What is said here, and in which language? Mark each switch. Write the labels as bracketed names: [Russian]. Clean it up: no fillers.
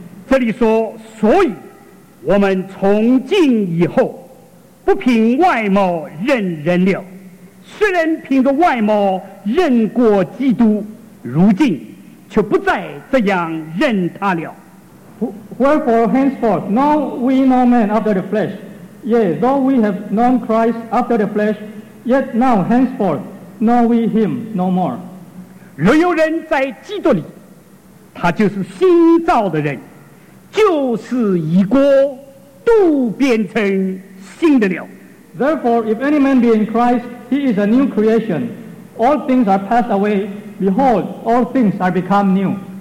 [Chinese] 这里说，所以我们从今以后不凭外貌认人了，虽然凭着外貌认过基督，如今却不再这样认他了。 [English] Wherefore henceforth know we no man after the flesh, yea, though we have known Christ after the flesh, yet now henceforth know we him no more. [Chinese] 若有人在基督里，他就是新造的人，旧事已过，都变成新的了。 [English] Therefore, if any man be in Christ, he is a new creation. All things are passed away. Behold, all things are become new.